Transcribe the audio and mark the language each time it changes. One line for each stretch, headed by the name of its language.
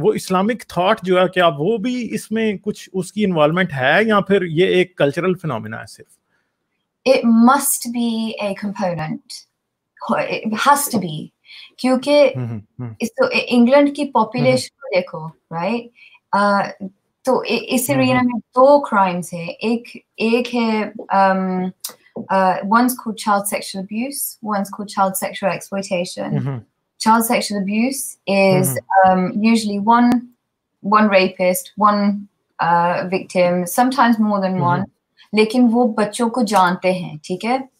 Hindi: वो Islamic thought जो है, क्या वो भी इसमें कुछ उसकी इन्वॉल्वमेंट है या फिर ये एक कल्चरल फिनोमेना है सिर्फ?
English: It must be a component. It has to be.
Hindi: क्योंकि इंग्लैंड की पॉपुलेशन को देखो, राइट? तो इस एरिया में दो क्राइम्स है. एक है
English: one's called child sexual abuse, one's called child sexual exploitation. Child sexual abuse is usually one rapist, one victim, sometimes more than one.
Hindi: लेकिन वो बच्चों को जानते हैं, ठीक है?